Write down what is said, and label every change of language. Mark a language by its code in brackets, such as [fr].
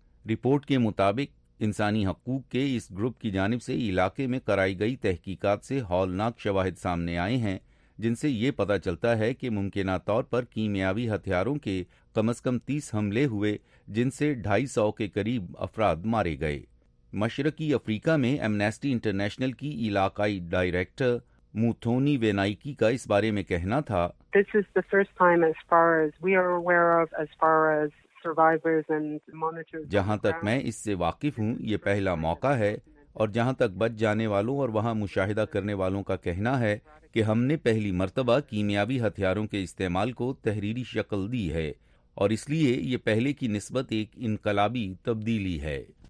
[ur] Report کے مطابق انسانی حقوق کے اس گروپ کی جانب سے علاقے میں کرائی گئی تحقیقات سے ہولناک شواہد سامنے آئے ہیں، جن سے یہ پتہ چلتا ہے کہ ممکنہ طور پر کیمیاوی ہتھیاروں کے کم از کم 30 حملے ہوئے، جن سے 250 کے قریب افراد مارے گئے۔ مشرقی افریقہ میں ایمنیسٹی انٹرنیشنل کی علاقائی ڈائریکٹر موتھونی وینائکی کا اس بارے میں کہنا تھا، [en] This is the first time as far as we are aware of as far as survivors and monitors, [ur] جہاں تک میں اس سے واقف ہوں یہ پہلا موقع ہے، اور جہاں تک بچ جانے والوں اور وہاں مشاہدہ کرنے والوں کا کہنا ہے کہ ہم نے پہلی مرتبہ کیمیابی ہتھیاروں کے استعمال کو تحریری شکل دی ہے، اور اس لیے یہ پہلے کی نسبت ایک انقلابی تبدیلی ہے۔